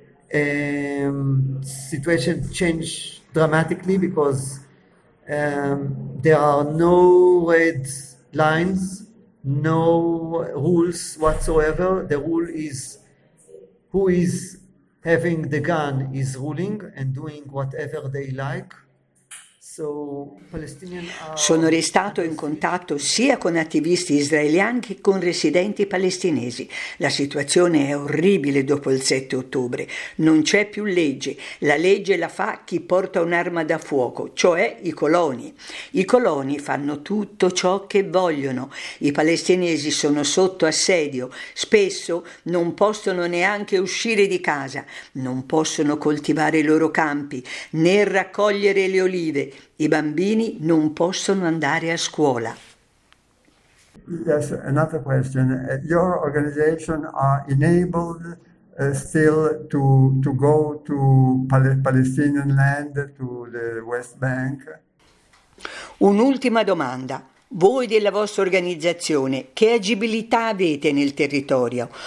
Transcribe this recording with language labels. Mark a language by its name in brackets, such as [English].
[English] Situation changed dramatically because there are no red lines, no rules whatsoever. The rule is who is having the gun is ruling and doing whatever they like. [Italian] Sono restato in contatto sia con attivisti israeliani che con residenti palestinesi. La situazione è orribile dopo il 7 ottobre. Non c'è più legge. La legge la fa chi porta un'arma da fuoco, cioè i coloni. I coloni fanno tutto ciò che vogliono. I palestinesi sono sotto assedio. Spesso non possono neanche uscire di casa. Non possono coltivare i loro campi, né raccogliere le olive. I bambini non possono andare a scuola. [English] Yes, another question. Your organization are enabled still to go to Palestinian land, to the West Bank? [Italian] Un'ultima domanda. Voi della vostra organizzazione, che agibilità avete nel territorio?